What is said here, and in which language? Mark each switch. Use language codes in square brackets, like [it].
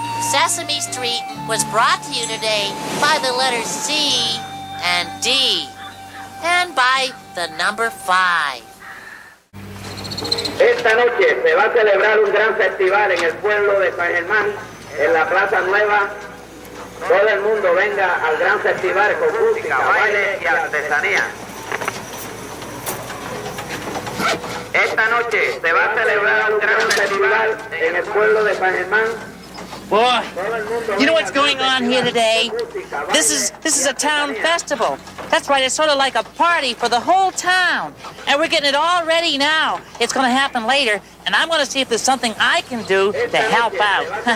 [en] Sesame Street was brought to you today by the letters C and D, and by the number 5. [es] Esta noche se va a celebrar un gran festival en el pueblo de San Germán, en la Plaza Nueva. Todo el mundo venga al gran festival con música, baile y artesanía. Esta noche se va a celebrar un gran festival en el pueblo de San Germán. [en] Boy, you know what's going on here today? This is a town festival. That's right, it's sort of like a party for the whole town. And we're getting it all ready now. It's going to happen later, and I'm going to see if there's something I can do to help out.